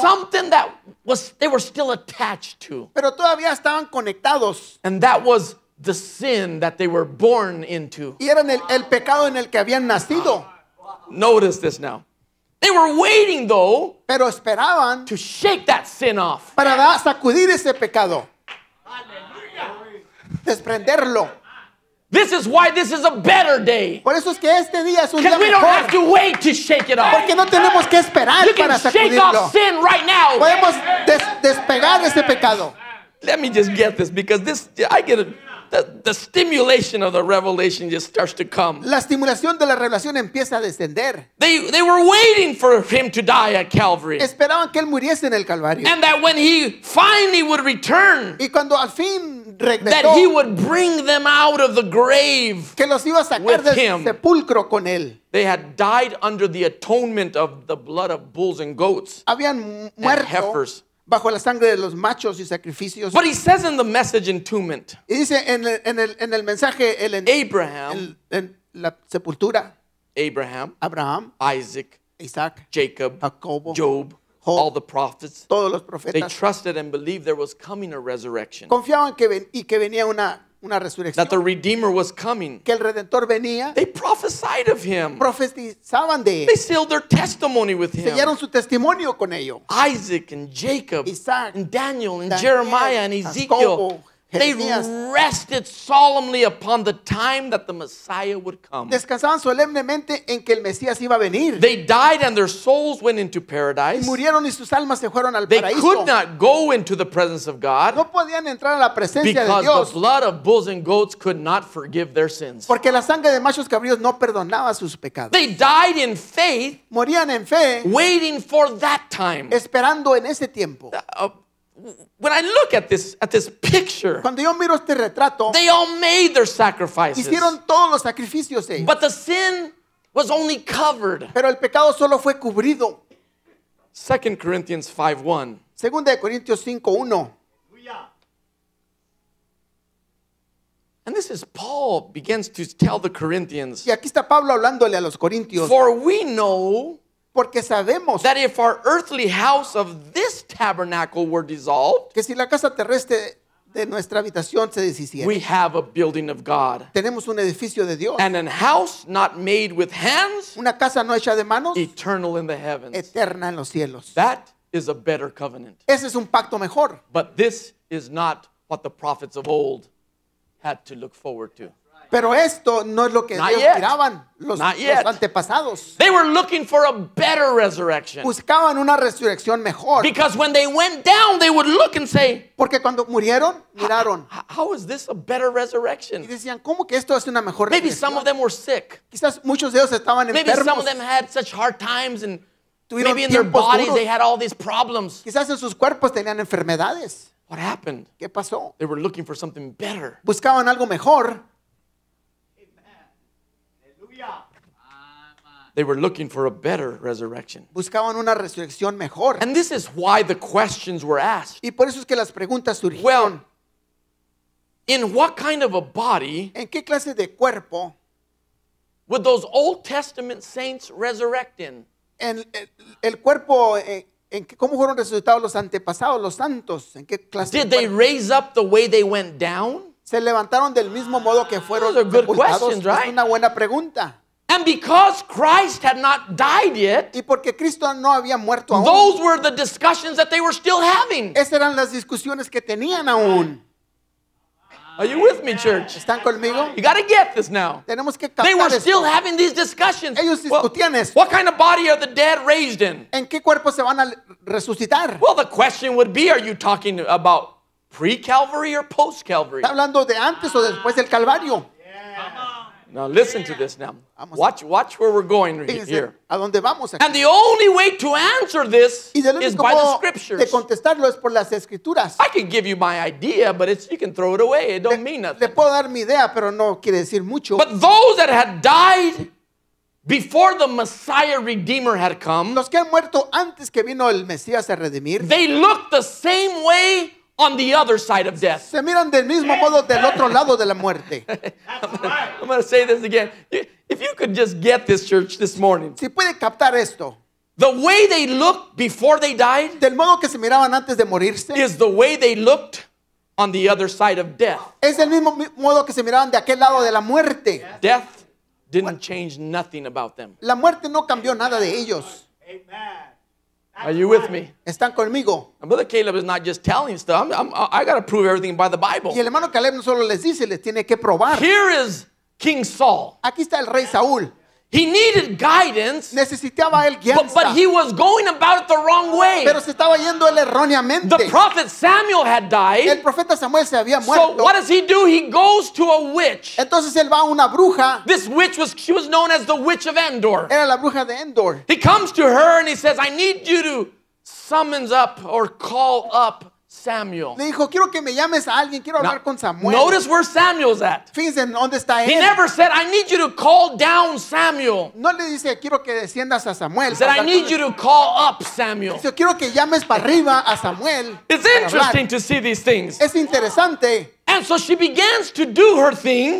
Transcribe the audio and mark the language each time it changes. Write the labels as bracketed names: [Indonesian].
[English] Something that was they were still attached to. [Spanish] Pero todavía estaban conectados. [English] And that was the sin that they were born into. [Spanish] Y eran el pecado en el que habían nacido. [English] Notice this now. They were waiting though. [Spanish] Pero esperaban. [English] To shake that sin off. [Spanish] Para sacudir ese pecado. Aleluya. Desprenderlo. [English] This is why this is a better day. [Spanish] Por eso es que este día es un día mejor. [English] Because we don't have to wait to shake it off. [Spanish] Porque no tenemos que esperar [English] you [Spanish] para sacudirlo. [English] You can shake off sin right now. [Spanish] Podemos despegar ese pecado. [English] Let me just get this because this I get it. The stimulation of the revelation just starts to come. [Spanish] La estimulación de la revelación empieza a descender. [English] They were waiting for him to die at Calvary. [Spanish] Esperaban que él muriese en el Calvario. [English] And that when he finally would return, [Spanish] y cuando al fin regresó, [English] that he would bring them out of the grave [Spanish] que los iba a sacar del sepulcro con él. [English] They had died under the atonement of the blood of bulls and goats. [Spanish] Habían muerto [English] and heifers. [Spanish] Bajo la sangre de los machos y sacrificios. [English] But he says in the message entombment. [Spanish] Y dice en el mensaje el [English] Abraham. [Spanish] En la sepultura. [English] Abraham. [Spanish] Abraham. [English] Isaac. [Spanish] Isaac. [English] Jacob. [Spanish] Jacobo. [English] Job. [Spanish] Job. [English] All the prophets. [Spanish] Todos los profetas. [English] They trusted and believed there was coming a resurrection. [Spanish] Confiaban que venía una resurrección. [English] That the Redeemer was coming. [Spanish] Que el Redentor venía. [English] They prophesied of him. [Spanish] Profetizaban de él. [English] They sealed their testimony with him. [Spanish] Sellaron su testimonio con ello. [English] Isaac and Jacob. [Spanish] Isaac. [English] And Daniel and Jeremiah and Ezekiel. [Spanish] Jacobo, [English] they rested solemnly upon the time that the Messiah would come. [Spanish] Descansaban solemnemente en que el Mesías iba a venir. [English] They died and their souls went into paradise. [Spanish] Y murieron y sus almas se fueron al [English] they [Spanish] paraíso. [English] Could not go into the presence of God. [Spanish] No podían entrar a la presencia de Dios. [English] Because the blood of bulls and goats could not forgive their sins. [Spanish] Porque la sangre de machos cabríos no perdonaba sus pecados. [English] They died in faith. [Spanish] Morían en fe. [English] Waiting for that time. [Spanish] Esperando en ese tiempo. [English] When I look at this picture, [Spanish] cuando yo miro este retrato, [English] they all made their sacrifices. [Spanish] Hicieron todos los sacrificios ellos. [English] But the sin was only covered. [Spanish] Pero el pecado solo fue cubrido. [English] 2 Corinthians 5:1. [Spanish] Segunda de Corintios 5:1. [English] And this is Paul begins to tell the Corinthians. [Spanish] Y aquí está Pablo hablándole a los Corintios. [English] For we know. [Spanish] Porque sabemos [English] that if our earthly house of this tabernacle were dissolved, [Spanish] que si la casa terrestre de nuestra habitación se deshiciera, [English] we have a building of God. [Spanish] Tenemos un edificio de Dios. [English] And a house not made with hands, [Spanish] una casa no hecha de manos, [English] eternal in the heavens, [Spanish] eterna en los cielos. [English] That is a better covenant. [Spanish] Ese es un pacto mejor. [English] But this is not what the prophets of old had to look forward to. [Spanish] Pero esto no es lo que [English] not [Spanish] ellos [English] yet. [Spanish] Miraban los antepasados. [English] They were looking for a better resurrection. [Spanish] Buscaban una resurrección mejor. [English] Because when they went down, they would look and say, [Spanish] porque cuando murieron, miraron. [English] How is this a better resurrection? [Spanish] Y decían, ¿cómo que esto es una mejor [English] maybe [Spanish] resurrección? [English] Some of them were sick. [Spanish] Quizás muchos de ellos estaban [English] maybe [Spanish] enfermos. [English] Some of them had such hard times and maybe in their bodies [Spanish] duros. [English] They had all these problems. [Spanish] Quizás en sus cuerpos tenían enfermedades. [English] What happened? [Spanish] ¿Qué pasó? [English] They were looking for something better. [Spanish] Buscaban algo mejor. [English] They were looking for a better resurrection. [Spanish] Buscaban una resurrección mejor. [English] And this is why the questions were asked. [Spanish] Y por eso es que las preguntas surgieron. [English] Well, in what kind of a body? [Spanish] ¿En qué clase de cuerpo? [English] Would those Old Testament saints resurrect in? [Spanish] El cuerpo en qué cómo fueron resucitados los antepasados, los santos, ¿en qué clase [English] did they [Spanish] cuerpo? [English] Raise up the way they went down? [Spanish] Se levantaron del mismo modo que fueron [English] those are good questions, right? [Spanish] Es una buena pregunta. [English] And because Christ had not died yet, [Spanish] y porque Cristo no había muerto aún, [English] those were the discussions that they were still having. [Spanish] Esas eran las discusiones que tenían aún. [English] Are you with me, church? [Spanish] ¿Están conmigo? [English] You got to get this now. [Spanish] Tenemos que captar [English] they were [Spanish] esto. [English] Still having these discussions. [Spanish] Ellos discutían [English] well, what kind of body are the dead raised in? [Spanish] ¿En qué cuerpo se van a resucitar? [English] Well, the question would be, are you talking about pre-Calvary or post-Calvary? [Spanish] ¿Está hablando de antes o después del Calvario? [English] Now listen to this now. Watch where we're going here. [Spanish] ¿A dónde vamos aquí? [English] And the only way to answer this is by the scriptures. [Spanish] De contestarlo es por las escrituras. [English] I can give you my idea, but you can throw it away. It don't mean nothing. [Spanish] Le puedo dar mi idea, pero no quiere decir mucho. [English] But those that had died Before the Messiah Redeemer had come, [Spanish] los que han muerto antes que vino el Mesías a redimir, [English] they looked the same way on the other side of death. [Spanish] Se miran del mismo modo del otro lado de la muerte. [English] I'm going to say this again. If you could just get this, church, this morning. [Spanish] Si puede captar esto. [English] The way they looked before they died, [Spanish] del modo que se miraban antes de morirse, [English] is the way they looked on the other side of death. [Spanish] Es el mismo modo que se miraban de aquel lado de la muerte. [English] Death didn't change nothing about them. [Spanish] La muerte no cambió nada de ellos. [English] Amen. Are you with me? [Spanish] Están conmigo. [English] And Brother Caleb is not just telling stuff. I got to prove everything by the Bible. [Spanish] Y el hermano Caleb no solo les dice, les tiene que probar. [English] Here is King Saul. [Spanish] Aquí está el rey Saúl. [English] He needed guidance. [Spanish] Necesitaba él guianza. [English] But he was going about it the wrong way. [Spanish] Pero se estaba yendo él erróneamente. [English] The prophet Samuel had died. [Spanish] El profeta Samuel se había muerto. [English] So what does he do? He goes to a witch. [Spanish] Entonces él va a una bruja. [English] This witch was, she was known as the witch of Endor. [Spanish] Era la bruja de Endor. [English] He comes to her and he says, I need you to summons up or call up Samuel. [Spanish] Le dijo, quiero que me llames a alguien, quiero hablar con Samuel. [English] Notice where Samuel's at. [Spanish] Fíjense en dónde está él. [English] He never said, I need you to call down Samuel. [Spanish] No le dice, quiero que desciendas a Samuel. [English] He said, I need you to call up Samuel. [Spanish] Dice, quiero que llames para arriba a Samuel. [English] It's interesting to see these things. [Spanish] Es interesante. [English] And so she begins to do her thing.